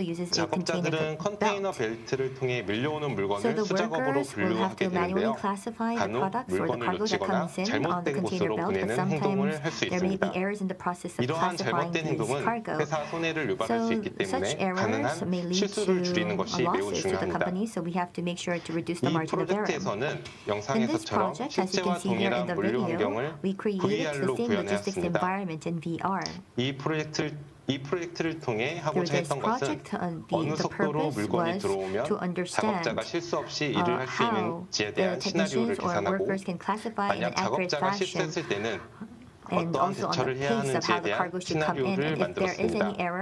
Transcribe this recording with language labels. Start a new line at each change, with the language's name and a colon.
Korean: 작업자들은 컨테이너 벨트를 통해 밀려오는 물건을 수작업으로 분류하게 되는데요. 간혹 물건을 놓치거나 잘못된 곳으로 보내는 행동을 할 수 있습니다. 이러한 잘못된 행동은 회사 손해를 유발할 수 있기 때문에 가능한 실수를 줄이는 것이 매우 중요합니다.
English: We have to make sure to reduce the margin of error. In this project, as you can see here in the video, we created the same logistics environment in VR.
Korean: 이 프로젝트를 통해 하고자 했던 것은 어느 속도로 물건이 들어오면 작업자가 실수 없이 일을 할 수 있는지에 대한 시나리오를 계산하고 만약 작업자가 실수했을 때는 어떤 대처를 해야 하는지에 대한 시나리오를 만들었습니다.